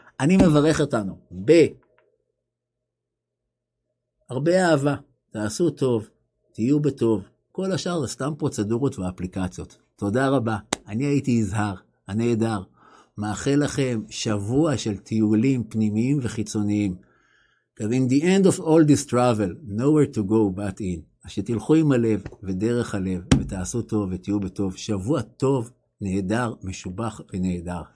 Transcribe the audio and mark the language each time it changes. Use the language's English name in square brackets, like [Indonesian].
[Hebrew] אני מברך אותנו בהרבה אהבה, תעשו טוב, תהיו בטוב, כל השאר זה סתם פרוצדורות ואפליקציות. תודה רבה, אני הייתי יזהר, הנהדר, מאחל לכם שבוע של טיולים פנימיים וחיצוניים. [English] Because in the end of all this travel, nowhere to go but in. [Hebrew] אז שתלכו עם הלב ודרך הלב, ותעשו טוב ותהיו בטוב. שבוע טוב, נהדר, משובח ונהדר.